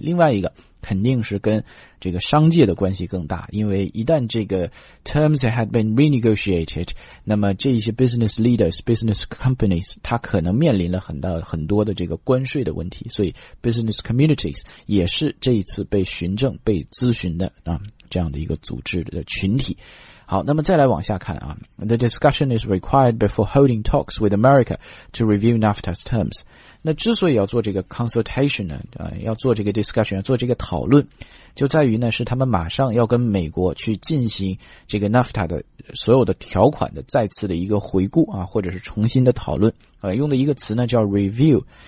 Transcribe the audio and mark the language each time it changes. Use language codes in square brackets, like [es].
[zh] 另外一个肯定是跟这个商界的关系更大，因为一旦这个 [en] terms had been renegotiated， [zh] 那么这些 [en] business leaders business companies [zh] 它可能面临了很多的这个关税的问题，所以 business communities 也是这一次被询政被咨询的啊这样的一个组织的群体。好，那么再来往下看啊 [en] ,the discussion is required before holding talks with America to review NAFTA's terms。 [zh] 那之所以要做这个 consultation 呢、要做这个 discussion， 要做这个讨论，就在于呢是他们马上要跟美国去进行这个 NAFTA 的所有的条款的再次的一个回顾啊，或者是重新的讨论，用的一个词呢叫 review。